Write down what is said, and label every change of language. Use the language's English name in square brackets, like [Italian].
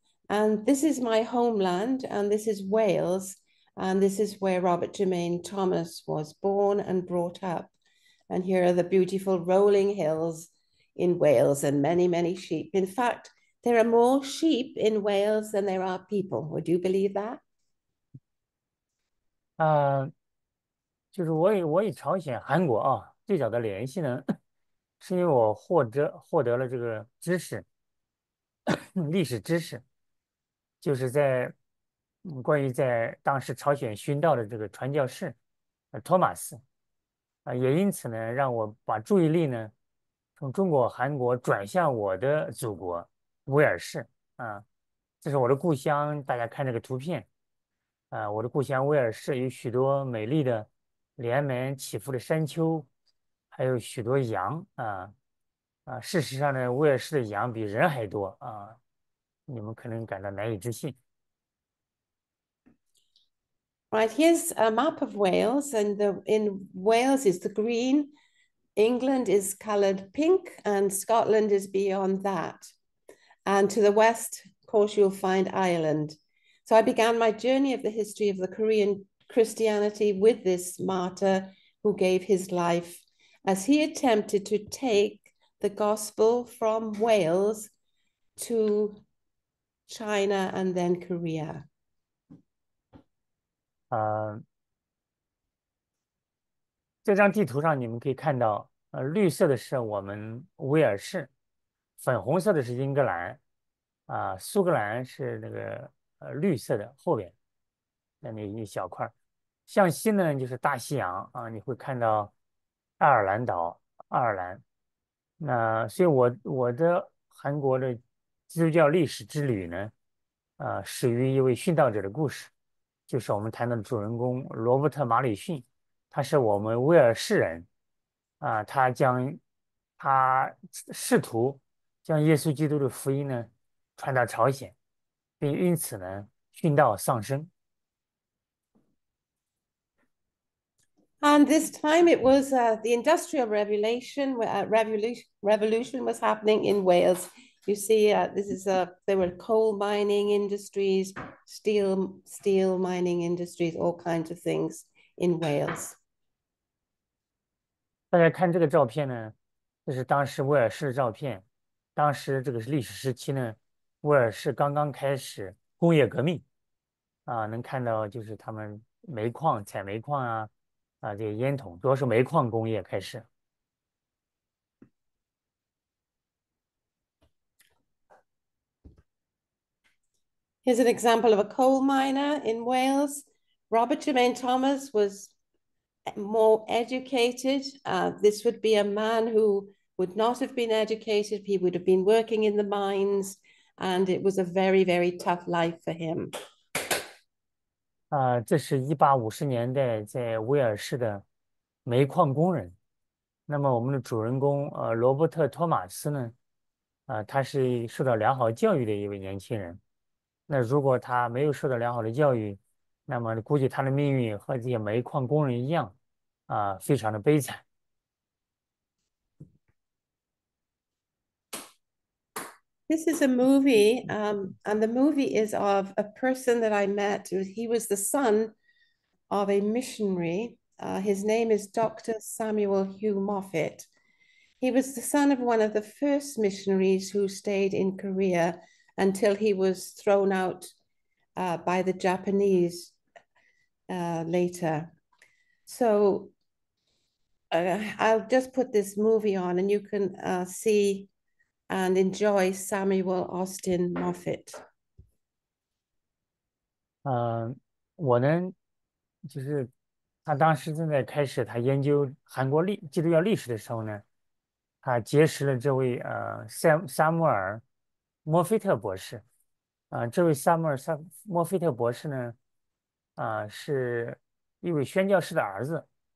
[English] And this is my homeland, and this is Wales, and this is where Robert Jermaine Thomas was born and brought up. And here are the beautiful rolling hills in Wales and many, many sheep. In fact, there are more sheep in Wales than there are people. Would you believe that? [Chinese] 就是我与朝鲜、韩国啊最早的联系呢，是因为我获得了这个知识，历史知识，就是在关于在当时朝鲜殉道的这个传教士，托马斯，也因此呢，让我把注意力呢从中国、韩国转向我的祖国威尔士这是我的故乡，大家看这个图片。我的故乡威尔士有许多美丽的、连绵起伏的山丘，还有许多羊事实上呢，威尔士的羊比人还多啊，你们可能感到难以置信。 [English] Right, here's a map of Wales, and in Wales is the green, England is coloured pink, and Scotland is beyond that. And to the west, of course, you'll find Ireland. So I began my journey of the history of the Korean Christianity with this martyr who gave his life as he attempted to take the gospel from Wales to China and then Korea. [Chinese] 这张地图上你们可以看到，绿色的是我们威尔士，粉红色的是英格兰，苏格兰是那个绿色的后边那一小块，向西呢就是大西洋你会看到爱尔兰岛，爱尔兰。那所以我的韩国的基督教历史之旅呢，始于一位殉道者的故事。就是我们谈到的主人公罗伯特·马里逊，他是我们威尔士人，他试图将耶稣基督的福音呢传到朝鲜，并因此呢殉道丧生。 [English] And this time it was the Industrial Revolution, revolution was happening in Wales. You see, this is there were coal mining industries, steel mining industries, all kinds of things in Wales. [Chinese] 大家看这个照片呢，这是当时威尔士的照片。当时这个是历史时期呢，威尔士刚刚开始工业革命，能看到就是他们煤矿采煤矿这些烟筒，主要是煤矿工业开始。 [English] Here's an example of a coal miner in Wales. Robert Jermaine Thomas was more educated. This would be a man who would not have been educated. He would have been working in the mines, and it was a very, very tough life for him. [Chinese] 这是1850年代在威尔士的煤矿工人。那么我们的主人公，罗伯特·托马斯呢？他是受到良好教育的一位年轻人。那如果他没有受到良好的教育，那么估计他的命运和这些煤矿工人一样，非常的悲惨。 [English] This is a movie, and the movie is of a person that I met. He was the son of a missionary. His name is Dr. Samuel Hugh Moffat. He was the son of one of the first missionaries who stayed in Korea until he was thrown out by the Japanese later. So I'll just put this movie on and you can see and enjoy Samuel Austin Moffat. [Chinese] 我呢，就是他当时正在开始他研究韩国基督教历史的时候呢，他结识了这位萨姆尔莫菲特博士。这位萨姆尔萨莫菲特博士呢，是一位宣教士的儿子。